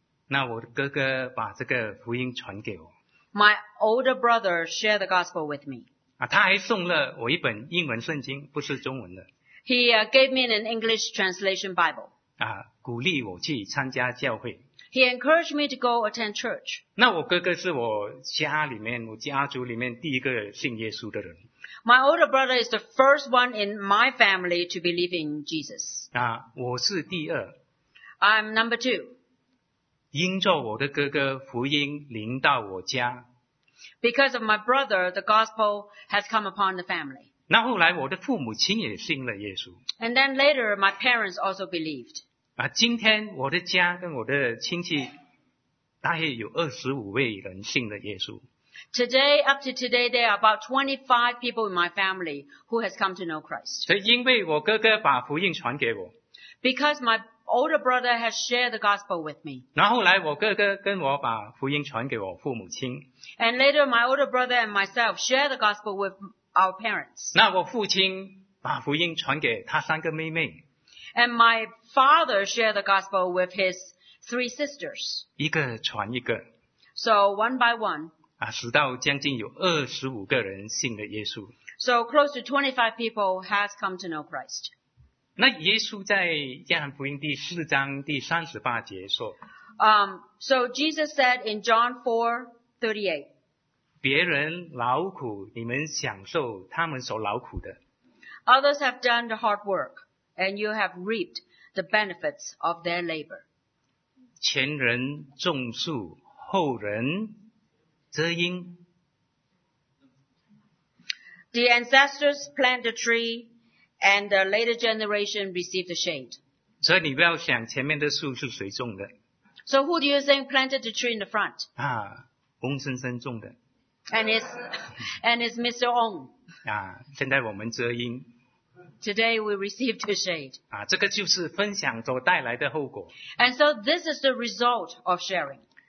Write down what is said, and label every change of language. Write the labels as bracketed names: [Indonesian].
[Chinese] 那我的哥哥把这个福音传给我。 [English] My older brother shared the gospel with me. [Chinese] 他还送了我一本英文圣经，不是中文的。 [English] He gave me an English translation Bible. [Chinese] 鼓励我去参加教会。 [English] He encouraged me to go attend church. [Chinese] 那我哥哥是我家里面，我家族里面第一个信耶稣的人。 [English] My older brother is the first one in my family to believe in Jesus. [Chinese] 我是第二。 [English] I'm number two. [Chinese] 因着我的哥哥，福音临到我家。 [English] Because of my brother, the gospel has come upon the family. [Chinese] 那后来我的父母亲也信了耶稣。 [English] And then later, my parents also believed. [Chinese] 今天我的家跟我的亲戚大约有25位人信了耶稣。 [English] Today, up to today, there are about 25 people in my family who has come to know Christ. [Chinese] 所以因为我哥哥把福音传给我。 [English] Because my older brother has shared the gospel with me. [Chinese] 然后来我哥哥跟我把福音传给我父母亲。 [English] And later, my older brother and myself share the gospel with our parents. [Chinese] 那我父亲把福音传给他三个妹妹。 [English] And my father shared the gospel with his three sisters. [Chinese] 一个传一个。 [English] So, one by one. [Chinese] 直到将近有25个人信了耶稣。 [English] So, close to 25 people has come to know Christ. [Chinese] 那耶稣在约翰福音第四章第38节说。 [English] So, Jesus said in John 4:38. [Chinese] 别人劳苦，你们享受他们所劳苦的。 [English] Others have done the hard work. And you have reaped the benefits of their labor. [Chinese] 前人种树，后人遮阴。 [English] The ancestors plant the tree, and the later generation receive the shade. [Chinese] 所以你不要想前面的树是谁种的。 [English] So who do you think planted the tree in the front? [Chinese] 翁先生种的。 [English] And it's Mr. Ong. [Chinese] 现在我们遮阴。 [English] Today we received the shade. [Chinese] 这个就是分享所带来的后果。 [English] And so this is the result of sharing.